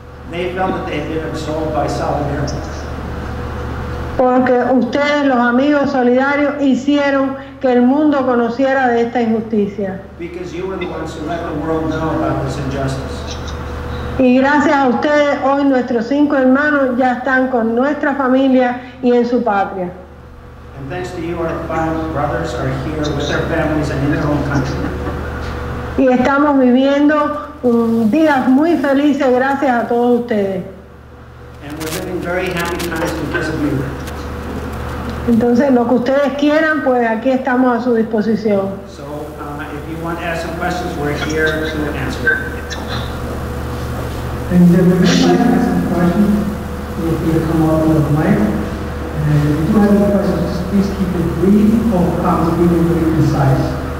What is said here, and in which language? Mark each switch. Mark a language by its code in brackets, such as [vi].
[en] They felt that they had been absolved by solidarity. [es] Porque ustedes, los amigos solidarios, hicieron que el mundo conociera de esta injusticia. [en] Because you were the ones who let the world know about this injustice. [es] Y gracias a ustedes, hoy nuestros cinco hermanos ya están con nuestra familia y en su patria. [en] And thanks to you, our five brothers are here with their families and in their own country. [es] Y estamos viviendo días muy felices gracias a todos ustedes. [en] And we're living very happy times because of you. [es] Entonces, lo que ustedes quieran, pues aquí estamos a su disposición. [en] So, if you want to ask some questions, we're here to answer. And if you'd like to ask some questions, feel free to come up with a mic. And if you do have any questions, please keep it brief or come to be really precise.